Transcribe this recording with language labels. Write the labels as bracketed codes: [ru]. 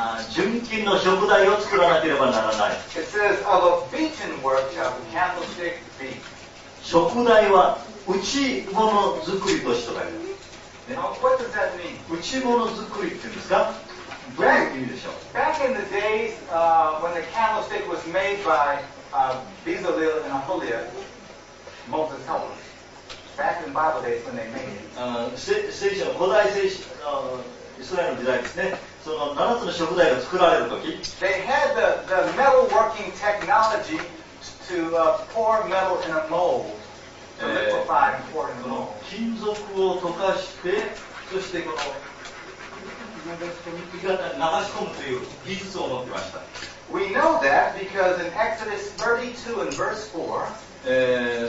[ja] 純金の燭台を作らなければならない。 [en] It says, of a beaten work shall the candlestick be. [ja] 燭台は打ち物作りとしてだよ。 [en] Now, what does that mean? [ja] 打ち物作りっていうんですか？どういう意味でしょう？ [en] Back in the days, when the candlestick was made by Bezalel and Aholiab, Moses helped them. Back in Bible days when they made it. [ja] 聖書、古代聖書、イスラエルの時代ですね。その7つの食材が作られるとき。 [en] They had the metal working technology to pour metal in a mold. [ja] この金属を溶かして、そしてこの流し込むという技術を持っていました。 [en] We know that because in Exodus 32 and verse 4、